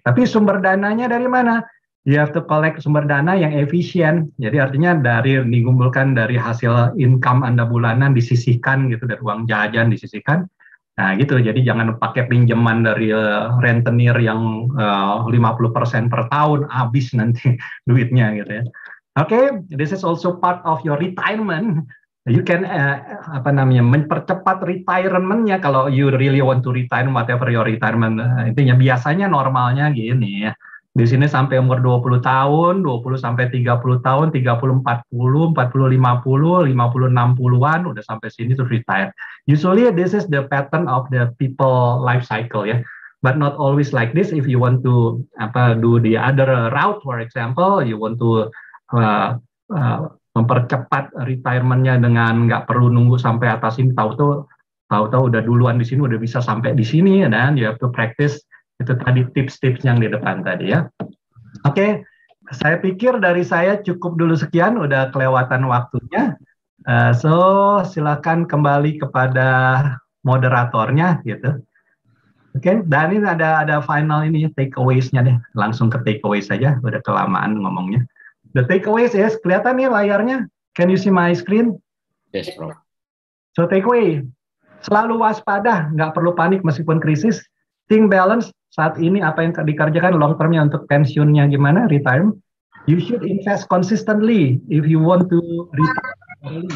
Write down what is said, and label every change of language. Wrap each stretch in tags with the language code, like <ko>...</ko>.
<id>Tapi sumber dananya dari mana?</id> <en>You have to collect</en> <id>sumber dana yang efisien. Jadi artinya dari dikumpulkan dari hasil income Anda bulanan, disisihkan gitu, dari uang jajan disisihkan. Nah gitu, jadi jangan pakai pinjaman dari rentenir yang 50% per tahun, habis nanti duitnya gitu ya.</id> <en>Okay, this is also part of your retirement. You can</en> <id>mempercepat retirement-nya kalau</id> <en>you really want to retire, whatever your retirement.</en> <id>Intinya biasanya normalnya gini ya. Di sini sampai umur 20 tahun, 20 sampai 30 tahun, 30 40, 40 50, 50 60-an udah sampai sini tuh retire.</id> <en>Usually this is the pattern of the people life cycle ya. Yeah. But not always like this. If you want to do the other route, for example, you want to</en> <id>mempercepat retirement-nya dengan enggak perlu nunggu sampai atas ini, tahu-tahu udah duluan di sini, udah bisa sampai di sini, dan</id> <en>you have to practice.</en> <id>Itu tadi tips-tips yang di depan tadi ya. Oke, okay. Saya pikir dari saya cukup dulu sekian, udah kelewatan waktunya. So, silakan kembali kepada moderatornya gitu. Oke, okay. Dan ini ada final ini, takeaways-nya deh. Langsung ke takeaways saja, udah kelamaan ngomongnya.</id> <en>The takeaways is,</en> <id>kelihatan nih layarnya?</id> <en>Can you see my screen? Yes, bro.</en> <id>So, takeaway. Selalu waspada, nggak perlu panik meskipun krisis.</id> <en>Think balance,</en> <id>saat ini apa yang dikerjakan long termnya untuk pensiunnya gimana, retire.</id> <en>You should invest consistently if you want to retire early.</en>